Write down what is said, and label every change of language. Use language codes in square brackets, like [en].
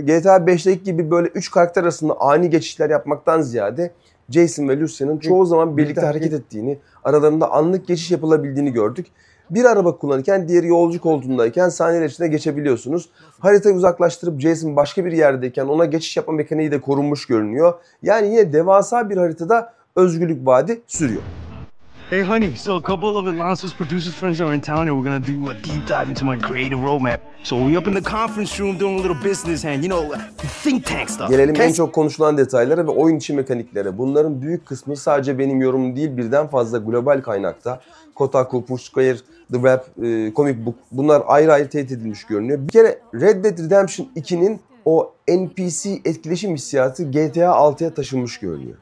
[tr] GTA 5'teki gibi böyle üç karakter arasında ani geçişler yapmaktan ziyade Jason ve Lucia'nın çoğu zaman birlikte hareket ettiğini, aralarında anlık geçiş yapılabildiğini gördük. Bir araba kullanırken diğeri yolcu koltuğundayken saniyeler içinde geçebiliyorsunuz. Haritayı uzaklaştırıp Jason başka bir yerdeyken ona geçiş yapma mekaniği de korunmuş görünüyor. Yani yine devasa bir haritada özgürlük vaadi sürüyor. [en] Hey honey, so a couple of Atlanta's producers friends are in town and we're gonna do a deep dive into my creative roadmap. So we up in the conference room doing a little business and you know, think tank stuff. [tr] Gelelim en çok konuşulan detaylara ve oyun içi mekaniklere. Bunların büyük kısmı sadece benim yorumum değil, birden fazla global kaynakta. Kotaku, Push Square, The Wrap, Comic Book, bunlar ayrı ayrı teyit edilmiş görünüyor. Bir kere Red Dead Redemption 2'nin o NPC etkileşim hissiyatı GTA 6'ya taşınmış görünüyor.